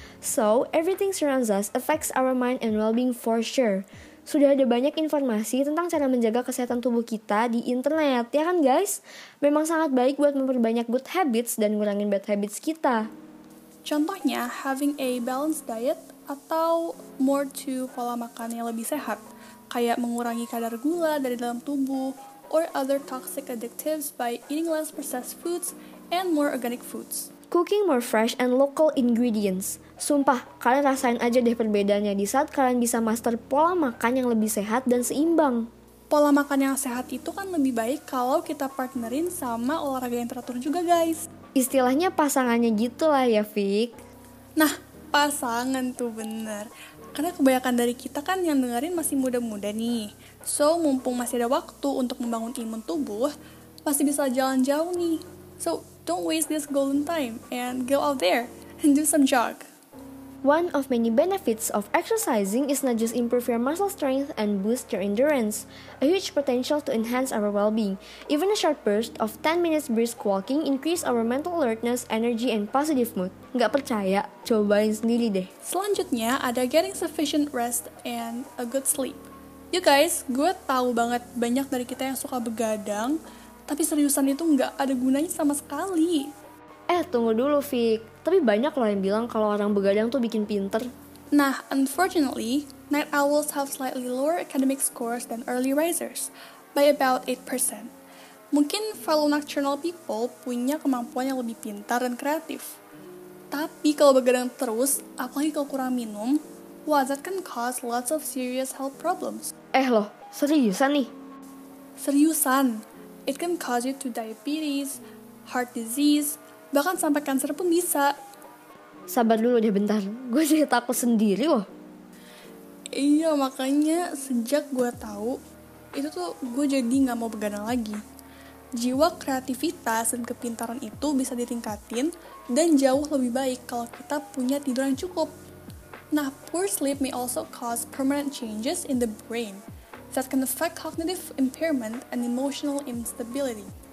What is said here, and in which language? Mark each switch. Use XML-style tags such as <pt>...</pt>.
<en>So, everything surrounds us affects our mind and well-being for sure.</en> <id>Sudah ada banyak informasi tentang cara menjaga kesehatan tubuh kita di internet, ya kan guys? Memang sangat baik buat memperbanyak</id> <en>good habits</en> <id>dan ngurangin</id> <en>bad habits</en> <id>kita. Contohnya,</id> <en>having a balanced diet</en> <id>atau</id> <en>more to</en> <id>pola makan yang lebih sehat, kayak mengurangi kadar gula dari dalam tubuh,</id> <en>or other toxic additives by eating less processed foods and more organic foods. Cooking more fresh and local ingredients.</en> <id>Sumpah, kalian rasain aja deh perbedaannya di saat kalian bisa master pola makan yang lebih sehat dan seimbang. Pola makan yang sehat itu kan lebih baik kalau kita partnerin sama olahraga yang teratur juga, guys. Istilahnya pasangannya gitulah ya, Fik. Nah, pasangan tuh bener. Karena kebanyakan dari kita kan yang dengerin masih muda-muda nih. So, mumpung masih ada waktu untuk membangun imun tubuh, masih bisa jalan jauh nih.</id> <en>So, don't waste this golden time and go out there and do some jog. One of many benefits of exercising is not just improve your muscle strength and boost your endurance. A huge potential to enhance our well-being. Even a short burst of 10 minutes brisk walking increase our mental alertness, energy, and positive mood.</en> <id>Nggak percaya? Cobain sendiri deh. Selanjutnya, ada</id> <en>getting sufficient rest and a good sleep.</en> <id>You guys, gue tahu banget banyak dari kita yang suka begadang, tapi seriusan itu nggak ada gunanya sama sekali. Tunggu dulu, Fik. Tapi banyak loh yang bilang kalau orang begadang tuh bikin pinter.</id> <en>Nah, unfortunately, night owls have slightly lower academic scores than early risers, by about 8%.</en> <id>Mungkin</id> <en>fellow nocturnal people</en> <id>punya kemampuan yang lebih pintar dan kreatif. Tapi kalau begadang terus, apalagi kalau kurang minum, wah,</id> <en>that can cause lots of serious health problems.</en> <id>Loh, seriusan nih? Seriusan.</id> <en>It can cause you to diabetes, heart disease,</en> <id>bahkan sampai kanker pun bisa. Sabar dulu deh bentar, gue jadi takut sendiri loh. Iya, makanya sejak gue tahu itu tuh gue jadi gak mau begadang lagi. jiwa kreativitas dan kepintaran itu bisa ditingkatin dan jauh lebih baik kalau kita punya tidur yang cukup.</id> <en>Nah, poor sleep may also cause permanent changes in the brain that can affect cognitive impairment and emotional instability.</en>